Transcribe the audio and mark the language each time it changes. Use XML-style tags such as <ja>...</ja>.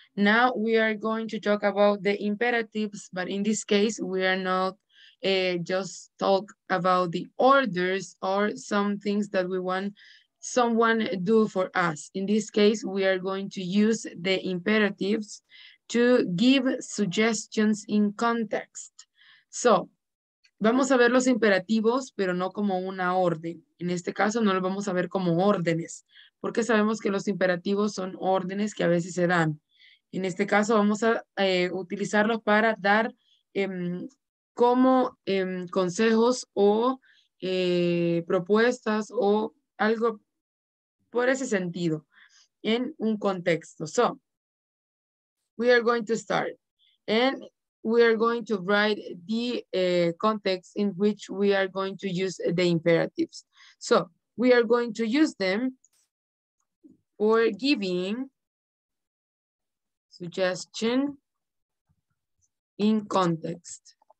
<en>Now we are going to talk about the imperatives, but in this case we are not just talk about the orders or some things that we want someone do for us. In this case we are going to use the imperatives to give suggestions in context.</en> <es>So vamos a ver los imperativos, pero no como una orden. En este caso, no los vamos a ver como órdenes, porque sabemos que los imperativos son órdenes que a veces se dan. En este caso, vamos a utilizarlos para dar como consejos o propuestas o algo por ese sentido, en un contexto.</es> <en>So, we are going to start. And we are going to write the context in which we are going to use the imperatives. So we are going to use them for giving suggestion in context.</en>